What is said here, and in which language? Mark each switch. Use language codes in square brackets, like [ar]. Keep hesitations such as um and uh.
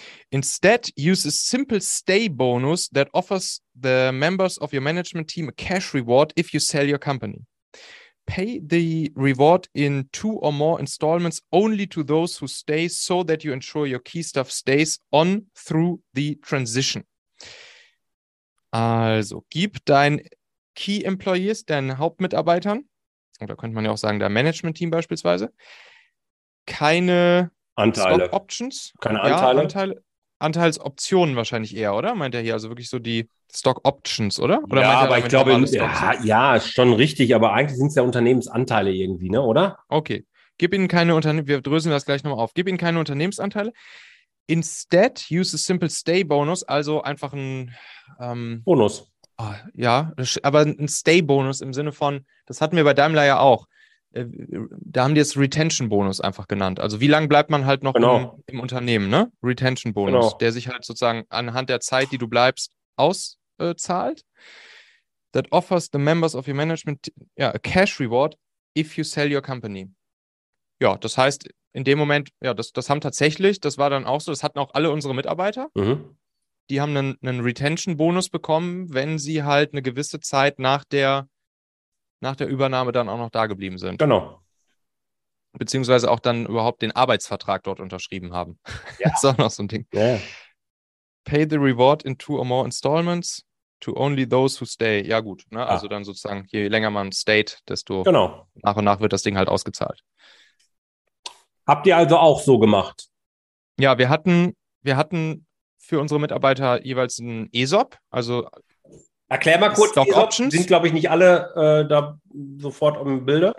[en] Instead, use a simple stay bonus that offers the members of your management team a cash reward if you sell your company. Pay the reward in two or more installments only to those who stay so that you ensure your key staff stays on through the transition. [de] Also, gib dein Key Employees, deinen Hauptmitarbeitern, oder könnte man ja auch sagen, dein Management-Team beispielsweise, keine Anteile. Stock Options. Keine Anteile. Ja, Anteile. Anteilsoptionen wahrscheinlich eher, oder? Meint er hier also wirklich so die Stock Options, oder? oder ja, meint er aber ich damit glaube, normale Stocks? ja, ja, ist schon richtig, aber eigentlich sind es ja Unternehmensanteile irgendwie, ne, oder? Okay. Gib ihnen keine Unternehmen, wir dröseln das gleich nochmal auf. Gib ihnen keine Unternehmensanteile. [en] Instead, use a simple stay bonus, [de] also einfach ein, ähm, Bonus. Ah, ja, das sch- aber ein Stay-Bonus im Sinne von, das hatten wir bei Daimler ja auch. Äh, Da haben die es Retention-Bonus einfach genannt. Also wie lange bleibt man halt noch Genau. im, im Unternehmen, ne? Retention-Bonus, Genau. der sich halt sozusagen anhand der Zeit, die du bleibst, auszahlt. Äh, zahlt. [en] That offers the members of your management ja, a cash reward if you sell your company. [de] Ja, das heißt, in dem Moment, ja, das, das haben tatsächlich, das war dann auch so, das hatten auch alle unsere Mitarbeiter Mhm. die haben einen, einen Retention-Bonus bekommen, wenn sie halt eine gewisse Zeit nach der, nach der Übernahme dann auch noch da geblieben sind. Genau. Beziehungsweise auch dann überhaupt den Arbeitsvertrag dort unterschrieben haben. Ja. Das ist auch noch so ein Ding. Ja. [en] Pay the reward in two or more installments to only those who stay. [de] Ja, gut. Ne? Also dann sozusagen, je länger man stayed, desto Genau. nach und nach wird das Ding halt ausgezahlt. Habt ihr also auch so gemacht? Ja, wir hatten, wir hatten für unsere Mitarbeiter jeweils einen ESOP, also Erklär mal kurz, Stock die Op- Options? sind, glaube ich, nicht alle äh, da sofort im Bilde.